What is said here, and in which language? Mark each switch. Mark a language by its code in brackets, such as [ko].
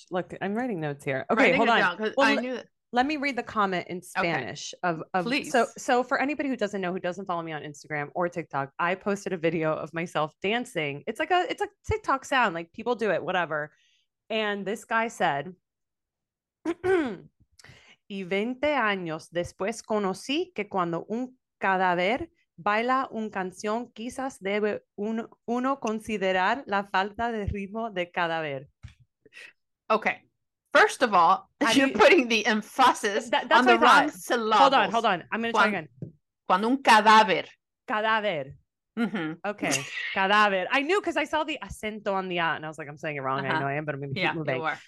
[en] Look, I'm writing notes here. Okay, writing hold on. Well, I knew that. Let me read the comment in Spanish. Okay. Please. So for anybody who doesn't know, who doesn't follow me on Instagram or TikTok, I posted a video of myself dancing. It's a TikTok sound. Like people do it, whatever. And this guy said, [es] y 20 años después conocí que cuando un cadáver baila un canción, quizás debe uno considerar la falta de ritmo de cadáver. [en] Okay. First of all, you're putting the emphasis on the wrong syllables. Hold on. I'm going to try again. [es] Cuando un cadáver. Cadáver. Mm-hmm. [en] Okay. Cadáver. I knew because I saw the acento on the A and I was like, I'm saying it wrong. Uh-huh. I know I am, but I'm going to keep moving.